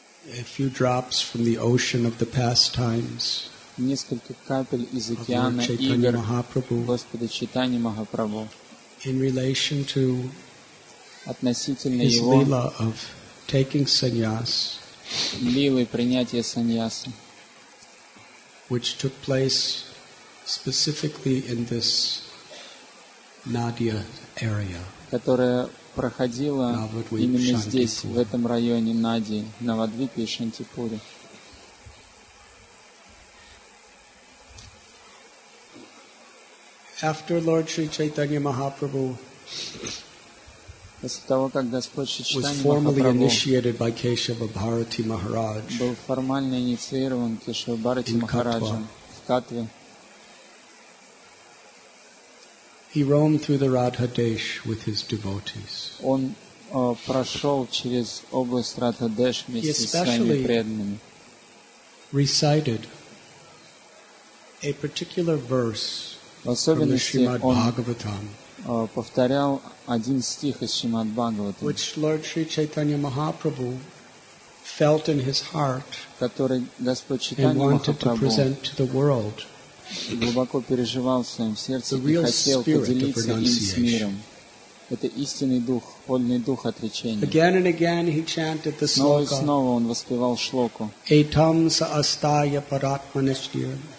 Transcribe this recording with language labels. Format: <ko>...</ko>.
<en>A few drops from the ocean of the pastimes.</en> <ru>Несколько капель из океана игр Господа Чайтаньи Махапрабху.</ru> <en>In relation to</en> <ru>относительно</ru> <en>his lila of taking sannyas.</en> <ru>Лилы принятия саньяса,</ru> <en>which took place specifically in this Nadia area.</en> <ru>Которая проходила именно здесь, в этом районе Нади, Навадвипе и Шантипуре.</ru> <en>After Lord Sri Chaitanya Mahaprabhu,</en> <ru>после того, как Господь Шри Чайтанья</ru> <en>Махапрабху was formally initiated by Keshava Bharati Maharaj,</en> <ru>был формально инициирован Кешава Бхарати Махараджем в Катве,</ru> <en>he roamed through the Radhadesh with his devotees.</en> <ru>Он прошел через область Радхадеш вместе со своими преданными.</ru> <en>Recited a particular verse from the Srimad Bhagavatam.</en> <ru>Повторял один стих из Шримад Бхагаватам,</ru> <en>which Lord Sri Chaitanya Mahaprabhu felt in his heart,</en> <ru>который Господь Чайтанья Махапрабху глубоко переживал в своем сердце и хотел поделиться им с миром. Это истинный дух, вольный дух отречения.</ru> <en>Again and again he chanted the slokha.</en> <ru>Снова и снова он воспевал шлоку.</ru> <sa>Этам са астая паратманишья.</sa>